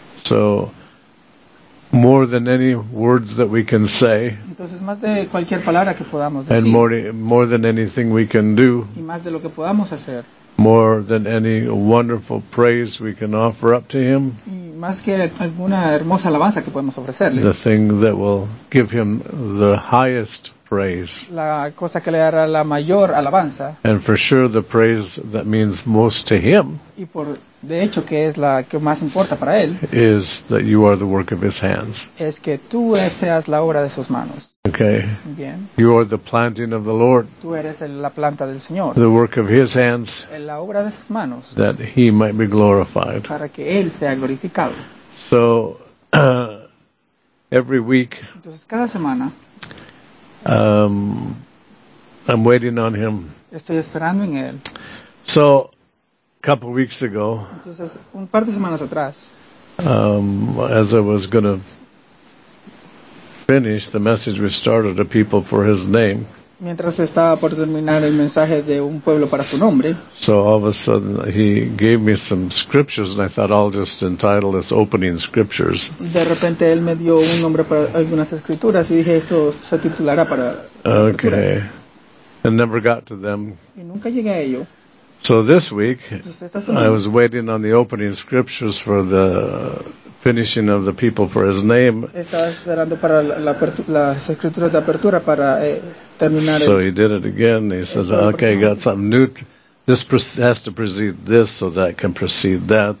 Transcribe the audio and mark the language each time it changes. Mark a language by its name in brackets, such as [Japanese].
[English] So, more than any words that we can say, [Spanish] entonces, más de cualquier palabra que podamos decir, [English] and more than anything we can do, [Spanish] y más de lo que podamos hacer, [English] more than any wonderful praise we can offer up to Him, [Spanish] y más que alguna hermosa alabanza que podemos ofrecerle, [English] the thing that will give Him the highest praise, [Spanish] la cosa que le dará la mayor alabanza, [English] and for sure the praise that means most to Him, [Spanish] y por de hecho, que es la que más importa para él, [English] is that you are the work of His hands. [Spanish] Es que tú seas la obra de sus manos. [English] Okay. [Spanish] Bien. [English] You are the planting of the Lord. [Spanish] Tú eres la planta del Señor. [English] The work of His hands. [Spanish] La obra de sus manos. [English] That He might be glorified. [Spanish] Para que él sea glorificado. [English] So, every week, [Spanish] entonces, cada semana, [English] I'm waiting on Him. [Spanish] Estoy esperando en él. [English] So, a couple of weeks ago, [Spanish] entonces, un par de semanas atrás, [English] as I was going to finish the message we started to people for His name, [Spanish] mientras estaba por terminar el mensaje de un pueblo para su nombre, [English] so all of a sudden He gave me some scriptures and I thought I'll just entitle this opening scriptures. [Spanish] De repente Él me dio un nombre para algunas escrituras y dije esto se titulará para [English] okay. And never got to them. [Spanish] Y nunca llegué a ello. [English] So this week, I was waiting on the opening scriptures for the finishing of the people for His name. [Spanish] Estaba esperando para las escrituras de apertura para terminar. [English] So He did it again. He says, "Okay, got something new. This has to precede this, so that can precede that.